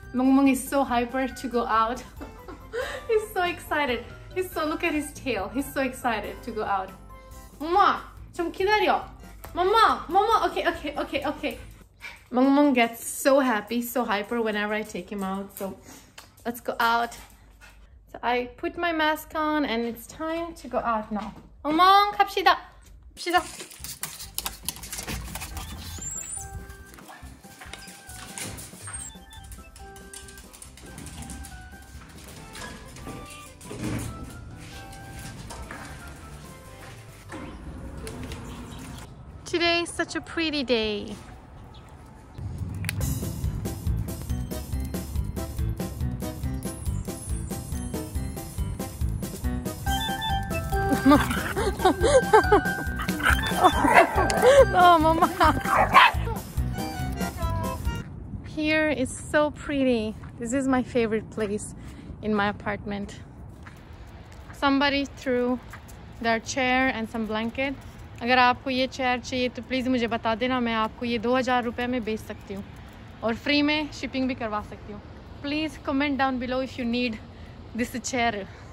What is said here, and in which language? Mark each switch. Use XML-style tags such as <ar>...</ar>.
<en>Mangmang is so hyper to go out, he is so excited, he so look at his tail, he is so excited to go out.</en> <hi>मम्मा तुम किधरियो? मम्मा मम्मा okay.</hi> <en>Mangmang gets so happy, so hyper whenever I take him out, so let's go out. I put my mask on and it's time to go out now. 엉망 갑시다. 갑시다. 'Today's such a pretty day. No, mama. here is so pretty. This is my favorite place in my apartment. Somebody threw their chair and some blanket.</en> <hi>अगर आपको ये chair चाहिए तो please मुझे बता देना, मैं आपको ये 2000 रुपये में बेच सकती हूँ और फ्री में शिपिंग भी करवा सकती हूँ.</hi> <en>Please comment down below if you need this chair.</en>